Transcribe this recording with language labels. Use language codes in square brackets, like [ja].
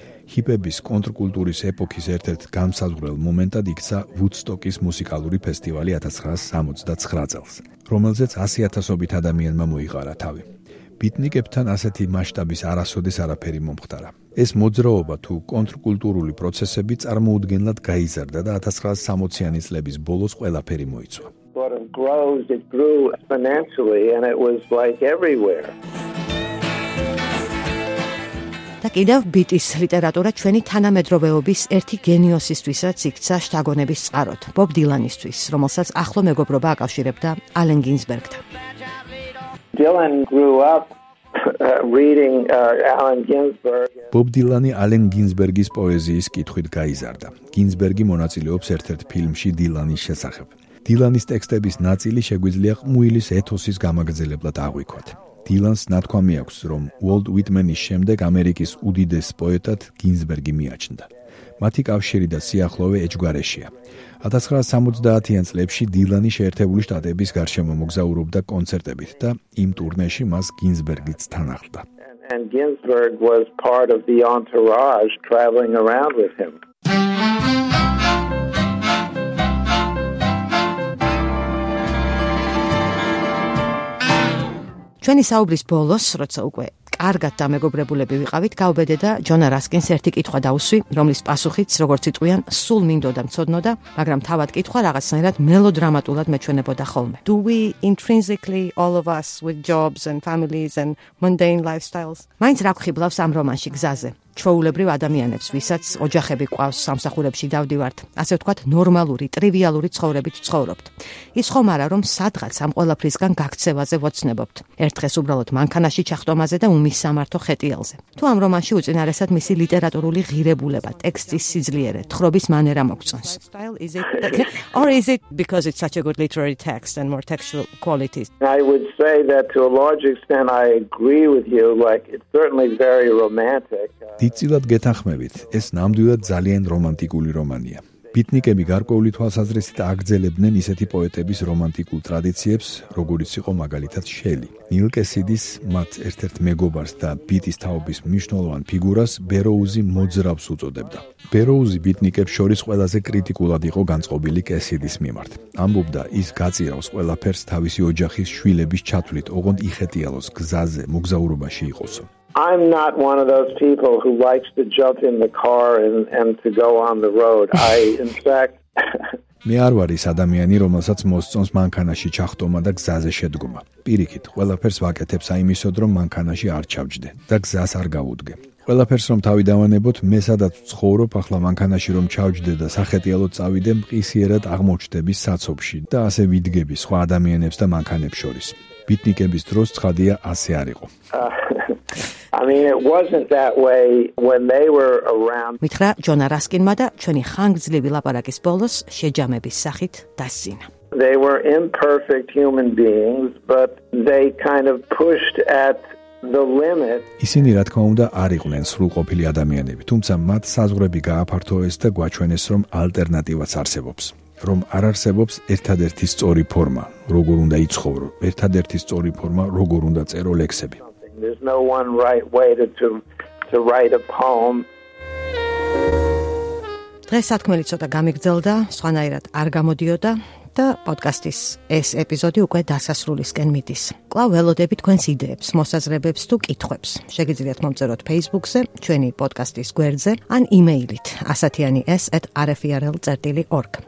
[ka] ჰიპების კონტრკულტურის ეპოქის ერთ-ერთ განმსაზღვრელ მომენტად იქცა ვუდსტოკის მუსიკალური ფესტივალი 1969 წელს, რომელზეც 100,000-ობით ადამიანმა მოიყარა თავი. ბიტნიკებთან ასეთი მასშტაბის არასოდეს არაფერი მომხდარა. ეს მოძრაობა თუ კონტრკულტურული პროცესები წარმოუდგენლად გაიზარდა და 1960-იანი წლების ბოლოს ყველაფერი მოიცვა. [en] grows, it grew exponentially, and it was like everywhere. [ka] და კიდევ ბიტის ლიტერატურა ჩვენი თანამედროვეობის ერთი გენიოსისთვისაც იქცა შტაგონების წყაროთ, ბობ დილანისთვის, რომელსაც ახლო მეგობრობა აკავშირებდა ალენ გინზბერგთან. [en] Dylan grew up reading Allen Ginsberg. [ka] ბობ დილანი ალენ გინზბერგის პოეზიის კითხვით გაიზარდა. გინზბერგი მონაწილეობს ერთ-ერთ ფილმში დილანის შესახებ. დილანის ტექსტების ნაწილი შეგვიძლია ყმუილის ეთოსის გამაგრძელებლად აღვიქვათ. დილანს ნათქვამი აქვს, რომ უოლტ უიტმენის შემდეგ ამერიკის უდიდეს პოეტად გინზბერგი მიაჩნდა. მათი კავშირი და სიახლოვე ეჯგვარეშია. 1970-იან წლებში დილანი შეერთებული შტატების გარშემო მოგზაურობდა კონცერტებით და იმ ტურნეში მას გინზბერგიც თან ახლდა. [en] Ginsberg was part of the entourage traveling around with him. [ka] ჩვენი საუბრის ბოლოს, როცა უკვე კარგად დამეგობრებულები ვიყავით, გაუბედე და ჯონ რასკინს ერთი კითხვა დაუსვი, რომლის პასუხიც, როგორც იტყვიან, სულ მინდოდა მცოდნოდა, მაგრამ თავად კითხვა რაღაცნაირად მელოდრამატულად მეჩვენებოდა ხოლმე. [en] Do we intrinsically all of us with jobs and families and mundane lifestyles? [ka] Მაინც რა გვხიბლავს ამ რომანში გზაზე? ჩვეულებრივ ადამიანებს, ვისაც ოჯახები ყავს, სამსახურებში დავდივართ, ასე ვთქვათ, ნორმალური, ტრივიალური ცხოვრებით ვცხოვრობთ. ის ხომ არა, რომ სადღაც ამ ყველაფრისგან გაქცევაზე ვოცნებობთ. ერთ დღეს უბრალოდ მანქანაში ჩახტომაზე და უმის სამართო ხეტიალზე. თუ ამ რომანში უწინარესად მისი ლიტერატურული ღირებულება, ტექსტის სიძლიერე, თხრობის მანერა მოგწონს. [en] Or is it because it's such a good literary text and more textual qualities? I would say that to a large extent I agree with you, like it's certainly very romantic. [ka] დიდწილად გეთანხმებით, ეს ნამდვილად ძალიან რომანტიკული რომანია. ბიტნიკები გარკვეული თვალსაზრისით აგრძელებდნენ ისეთი პოეტების რომანტიკულ ტრადიციებს, როგორიც იყო მაგალითად შელი. ნილ კესიდის მათ ერთ-ერთ მეგობარს და ბიტის თაობის მნიშვნელოვან ფიგურას ბეროუზი მოძრავს უწოდებდა. ბეროუზი ბიტნიკებს შორის ყველაზე კრიტიკულად იყო განწყობილი კესიდის მიმართ. ამბობდა, ის გაწირავს ყველაფერს თავისი ოჯახის შვილების ჩათვლით, ოღონდ იხეტიალოს გზაზე მოგზაურობაში იყოსო. [en] I'm not one of those people who likes to jump in the car and to go on the road. I in fact [ka] მე არ ვარ ის ადამიანი, რომელსაც მოსწონს მანქანაში ჩახტომა და გზაზე შედგომა. პირიქით, ყველაფერს ვაკეთებს აიმისოდ, რომ მანქანაში არ ჩავჯდე და გზას არ გავუდგე. ყველაფერს რომ თავი დავანებოთ, მე სადაც ვცხოვრობ, ახლა მანქანაში რომ ჩავჯდე და სახეტიალოდ წავიდე, მყისიერად აღმოჩნდები საცობში და ასე ვიდგები სხვა ადამიანებს და მანქანებს შორის. ბიტნიკების დროს ცხადია ასე არისო. [en] I mean it wasn't that way when they were around. [ka] მითხრა ჯონ რასკინმა და ჩვენი ხანგრძლივი ლაპარაკის ბოლოს შეჯამების სახით დასძინა. [en] They were imperfect human beings, but they kind of pushed at the limit. [ka] ისინი რა თქმა უნდა არ იყვნენ სრულყოფილი ადამიანები, თუმცა მათ საზღვრები გააფართოვეს და გვაჩვენეს, რომ ალტერნატივაც არსებობს. რომ არ არსებობს ერთადერთი სწორი ფორმა, როგორ უნდა იცხოვრო, ერთადერთი სწორი ფორმა, როგორ უნდა წერო ლექსები. [en] There's no one right way to write a poem. [ka] დღეს სათქმელი ცოტა გამიგრძელდა, სხვანაირად არ გამოდიოდა და პოდკასტის ეს ეპიზოდი უკვე დასასრულისკენ მიდის. კვლავ ველოდებით თქვენს იდეებს, მოსაზრებებს თუ კითხვებს. შეგიძლიათ მომწეროთ Facebook-ზე, ჩვენი პოდკასტის გვერდზე ან იმეილით asatiani@rfrl.org.